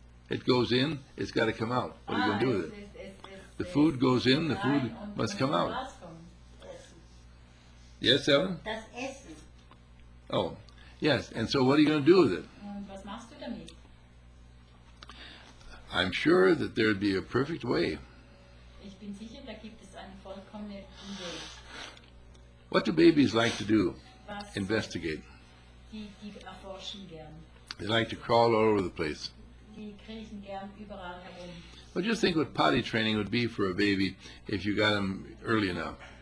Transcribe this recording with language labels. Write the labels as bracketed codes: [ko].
[en] It goes in, it's got to come out. What are you going to do with it? The food goes in, the food must come out. Yes, Ellen? [de] Das Essen. [en] Oh, yes. And so what are you going to do with it? [de] Und was machst du damit? [en] I'm sure that there would be a perfect way. [de] Ich bin sicher, da gibt es eine vollkommene Idee. [en] What do babies like to do? [de] Was [en] Investigate. [de] Die erforschen gern. [en] They like to crawl all over the place. [de] Die kriechen gern überall herum. [en] Well, just think what potty training would be for a baby if you got them early enough.